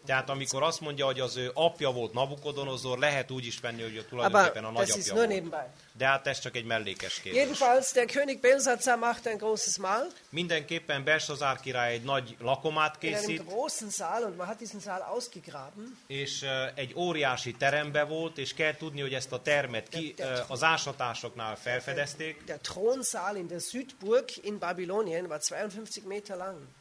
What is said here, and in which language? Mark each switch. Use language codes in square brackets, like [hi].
[hu] Tehát amikor azt mondja, hogy az ő apja volt Nabukodonozor, lehet úgy is venni, hogy tulajdonképpen a nagyapja volt. De hát ez csak egy mellékes kérdés. [de] Jedenfalls der König Belsazar macht ein großes Mahl. [hu] Mindenképpen Belsazár király egy nagy lakomát készít. [de] In einem großen Saal, und man hat diesen Saal ausgegraben. [hu] És egy óriási terembe volt, és kell tudni, hogy ezt a termet ki az ásatásoknál felfedezték. [de] Der Thronsaal in der Südburg in Babylonien war 52 Meter lang.